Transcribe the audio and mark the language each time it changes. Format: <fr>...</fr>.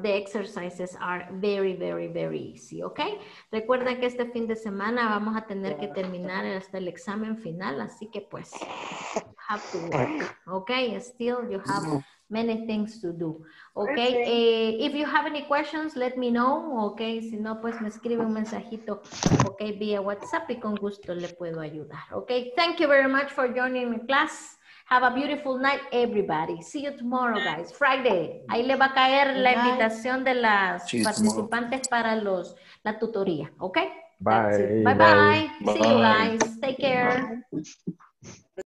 <en>The exercises are very, very, very easy.</en> <es>Okay, recuerden que este fin de semana vamos a tener que terminar hasta el examen final, así que pues,</es> <en>you have to work. Okay, still you have many things to do. Okay, if you have any questions, let me know.</en> <es>Okay, si no, pues me escribe un mensajito. Okay, via WhatsApp y con gusto le puedo ayudar.</es> <en>Okay, thank you very much for joining me, class. Have a beautiful night, everybody. See you tomorrow, guys. Friday.</en> <es>Ahí le va a caer la invitación de las participantes para la tutoría.</es> <en>Okay? Bye. Bye-bye. See you, guys. Take care. Bye.</en>